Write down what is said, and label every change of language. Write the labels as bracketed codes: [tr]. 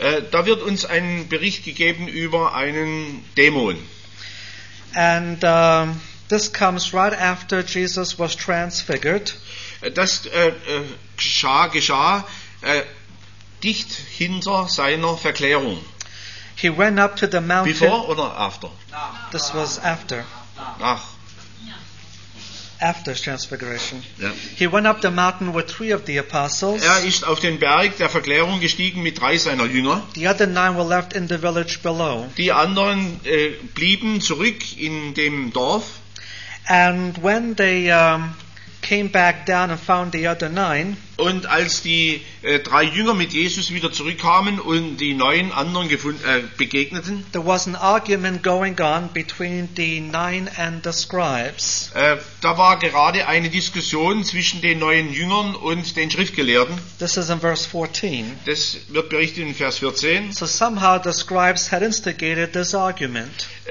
[de] Da wird uns ein Bericht gegeben über einen Dämon. [en] And this comes right after Jesus was transfigured. [de] Das geschah dicht hinter seiner Verklärung. [en] He went up to the mountain. Before or after? This was after. [de] Nach. [en] After transfiguration. Yeah. He went up the mountain with three of the apostles. [de] Er ist auf den Berg der Verklärung gestiegen mit drei seiner Jünger. [en] The other nine were left in the village below. [de] Die anderen blieben zurück in dem Dorf. [en] And when they came back down and found the other nine, [de] Und als die drei Jünger mit Jesus wieder zurückkamen und die neun anderen begegneten, [en] there was an argument going on between the nine and the scribes. [de] Da war gerade eine Diskussion zwischen den neun Jüngern und den Schriftgelehrten. [en] This is in verse 14. [de] Das wird berichtet in Vers 14. [en] So somehow the scribes had instigated this argument.